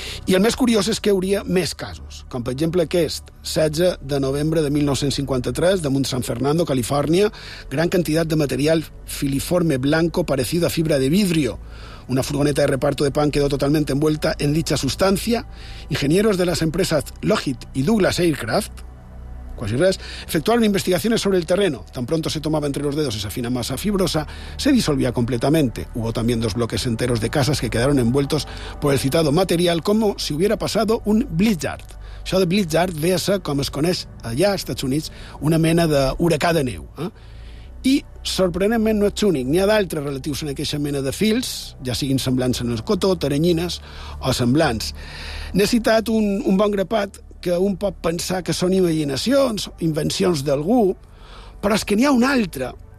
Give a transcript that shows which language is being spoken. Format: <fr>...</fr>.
<ca>I el més curiós és que hi hauria més casos, com per exemple aquest, 16 de novembre de 1953, damunt San Fernando, Califòrnia, gran quantitat de material filiforme</ca> <es>blanco parecido a fibra de vidrio. Una furgoneta de reparto de pan quedó totalmente envuelta en dicha sustancia. Ingenieros de las empresas Lockheed y Douglas Aircraft,</es> <ca>quasi res,</ca> <es>efectuaron investigaciones sobre el terreno. Tan pronto se tomaba entre los dedos esa fina masa fibrosa, se disolvía completamente. Hubo también dos bloques enteros de casas que quedaron envueltos por el citado material como si hubiera pasado un blizzard.</es> <ca>Això de blizzard ve a ser, com es coneix allà als Estats Units, una mena d'huracà de neu. I, sorprenentment, no ets únic. N'hi ha d'altres relatius en aquesta mena de fils, ja siguin semblants en el cotó, teranyines o semblants. N'he citat un bon grapat que un pot pensar que són imaginacions, invencions d'algú, però és que n'hi ha un altre.</ca>